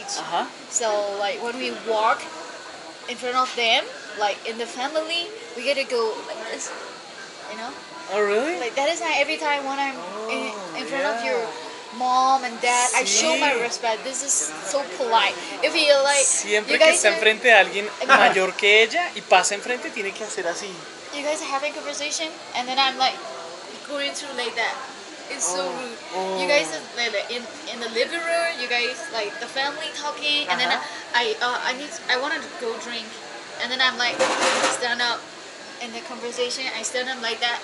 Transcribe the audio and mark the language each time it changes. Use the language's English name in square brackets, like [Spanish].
[English] Uh-huh. So, like, when we walk in front of them, like, in the family, we get to go like this, you know? Oh, really? Like, that is not every time when I'm in front of your mom and dad, sí. I show my respect. This is so polite. If you like, [Spanish] siempre [English] you guys [Spanish] que está enfrente de alguien mayor que ella y pasa enfrente, tiene que hacer así. [English] You guys are having a conversation, and then I'm like, going through like that. It's so rude. Oh. You guys are like, in the living room, you guys, like, the family talking, and then I want to go drink. And then I'm like, stand up. In the conversation, I stand up like that.